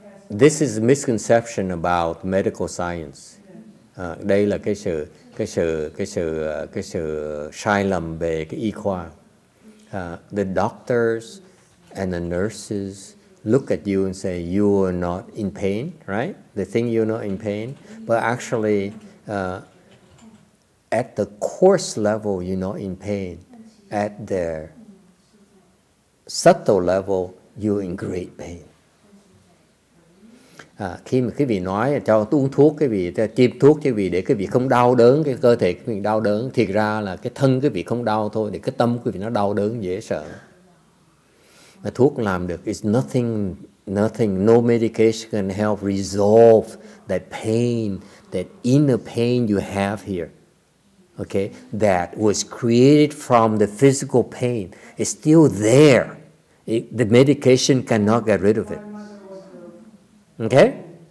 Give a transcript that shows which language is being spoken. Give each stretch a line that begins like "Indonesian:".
English: This is a misconception about medical science.
Vietnamese: Đây là cái sự sai lầm về cái y khoa.
English: The doctors and the nurses look at you and say you are not in pain, right? They think you're not in pain, but actually, at the coarse level, you're not in pain. At their subtle level, you're in great pain.
Vietnamese: Khi mà quý vị nói cho uống thuốc quý vị, tiêm thuốc quý vị để quý vị không đau đớn, cái cơ thể quý vị đau đớn, thiệt ra là cái thân quý vị không đau thôi, để cái tâm quý vị nó đau đớn dễ sợ. Mà thuốc làm được,
English: it's nothing, no medication can help resolve that pain, that inner pain you have here, okay, that was created from the physical pain. It's still there. The medication cannot get rid of it. Okay?